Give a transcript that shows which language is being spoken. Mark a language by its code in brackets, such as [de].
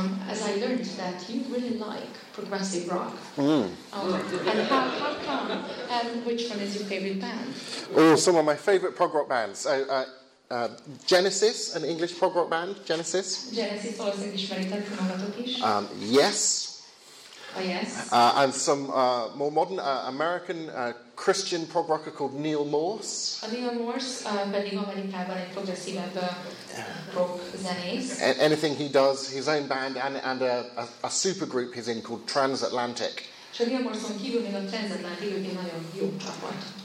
[en] As I learned that you really like progressive rock. And how come? Which one is your favorite band? Oh, some of my favorite prog rock bands. Genesis, an English prog rock band, Genesis. [hu] Genesis, valószínűleg ismeritek, hallgatok is. [en] Yes. Yes. And some more modern American Christian prog rocker called Neil Morse. [hu] Neil Morse, pedig Amerikában egy progresszívebb rock zenész. [en] Anything he does, his own band and a super group he's in called Transatlantic. [hu] És a Neil Morse-on kívül még a Transatlantic, ők egy nagyon jó csapat.